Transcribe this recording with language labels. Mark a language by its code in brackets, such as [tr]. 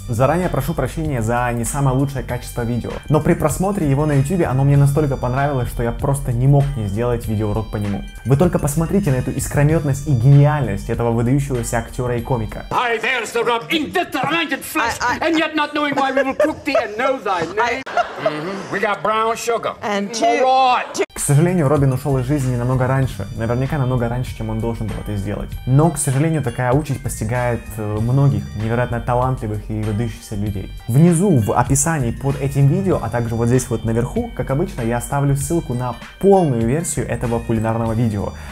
[ru] Заранее прошу прощения за не самое лучшее качество видео. Но при просмотре его на YouTube оно мне настолько понравилось, что я просто не мог не сделать видеоурок по нему. Вы только посмотрите на эту искрометность и гениальность этого выдающегося актера и комика. [en] Hi, there's the rub in this rancid flesh, and yet not knowing why we will cook thee and know thy name. We got brown sugar. And two. What? [ru] К сожалению, Робин ушел из жизни намного раньше. Наверняка намного раньше, чем он должен был это сделать. Но, к сожалению, такая участь постигает многих невероятно талантливых и выдающихся людей. Внизу, в описании под этим видео, а также вот здесь вот наверху, как обычно, я оставлю ссылку на полную версию этого кулинарного видео.